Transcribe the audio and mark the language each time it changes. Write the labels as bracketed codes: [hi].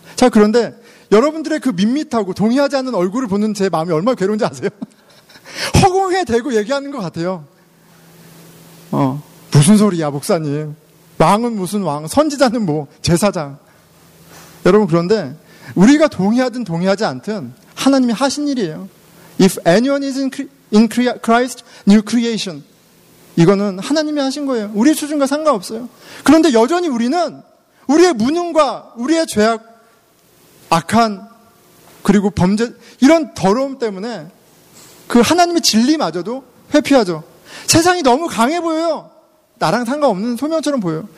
[ko] 자, 그런데 여러분들의 그 밋밋하고 동의하지 않는 얼굴을 보는 제 마음이 얼마나 괴로운지 아세요? 허공에 대고 얘기하는 것 같아요. 무슨 소리야, 목사님. 왕은 무슨 왕, 선지자는 뭐, 제사장. 여러분, 그런데 우리가 동의하든 동의하지 않든 하나님이 하신 일이에요. [en] If anyone is in Christ, new creation. [ko] 이거는 하나님이 하신 거예요. 우리의 수준과 상관없어요. 그런데 여전히 우리는 우리의 무능과 우리의 죄악, 악한, 그리고 범죄, 이런 더러움 때문에 그 하나님의 진리마저도 회피하죠. 세상이 너무 강해 보여요. 나랑 상관없는 소명처럼 보여요.